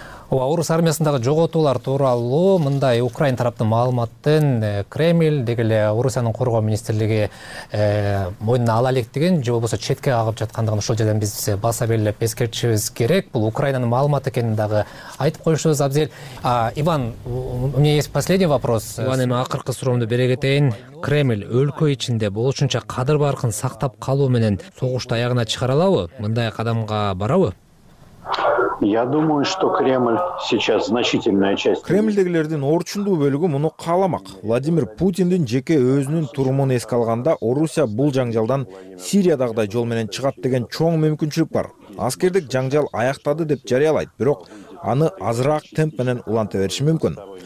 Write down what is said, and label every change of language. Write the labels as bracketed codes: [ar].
[ky] Ооба, орус армиясындагы жоготуулар тууралуу мындай украин тараптын маалыматтын Кремль деги эле Орусиянын коргоо министрлиги мойнуна ала электигин же болбосо четке кагып жаткандыгын ушул жерден биз баса белгилеп эскертишибиз керек. Бул Украинанын маалыматы экенин дагы айтып коюшубуз абзел. [ru] Иван, у меня есть последний вопрос. [ky] Иван, эми акыркы суроомду бере кетейин. Кремль өлкө ичинде болушунча кадыр баркын сактап калуу менен согушту аягына чыгара алабы? Мындай кадамга барабы? [ru] Я думаю, что Кремль сейчас значительная часть. [ky] Кремльдегилердин орчундуу бөлүгү муну кааламак. Владимир Путиндин жеке өзүнүн турумун эске алганда, Орусия бул жаңжалдан Сириядагыдай жол менен чыгат деген чоң мүмкүнчүлүк бар. Аскердик жаңжал аяктады деп жарыялайт, бирок аны азыраак темп менен уланта бериши мүмкүн.